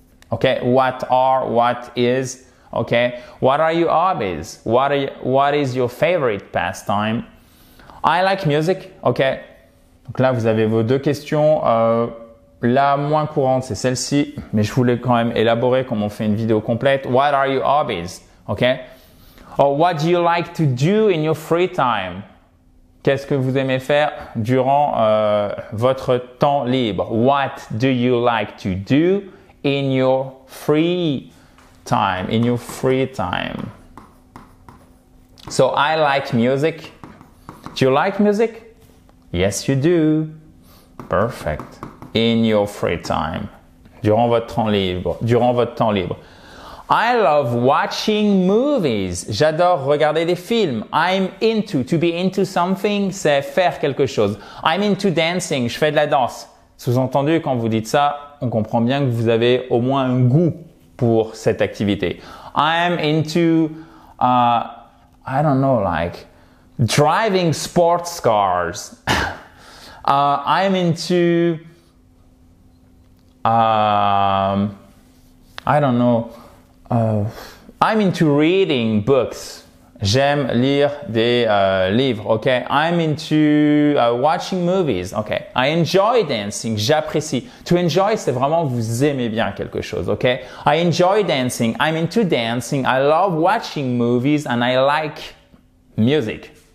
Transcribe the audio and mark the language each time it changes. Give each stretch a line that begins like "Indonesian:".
English: Okay, what are, what is, okay? What are your hobbies? What is your favorite pastime? I like music, okay?
French: Donc là, vous avez vos deux questions. La moins courante, c'est celle-ci, mais je voulais quand même élaborer comme on fait une vidéo complète.
English: What are your hobbies? Okay? Or what do you like to do in your free time?
French: Qu'est-ce que vous aimez faire durant votre temps libre?
English: What do you like to do in your free time? In your free time. So I like music. Do you like music? Yes, you do. Perfect. In your free time.
French: Durant votre temps libre. Durant votre temps libre.
English: I love watching movies.
French: J'adore regarder des films.
English: I'm into, to be into something,
French: c'est faire quelque chose.
English: I'm into dancing,
French: je fais de la danse. Sous-entendu, quand vous dites ça, on comprend bien que vous avez au moins un goût pour cette activité.
English: I'm into, I don't know, like, driving sports cars. I'm into, I don't know, I'm into reading books.
French: J'aime lire des livres, ok?
English: I'm into watching movies, ok? I enjoy dancing,
French: j'apprécie.
English: To enjoy,
French: c'est vraiment vous aimez bien quelque chose, ok?
English: I enjoy dancing, I'm into dancing, I love watching movies and I like music.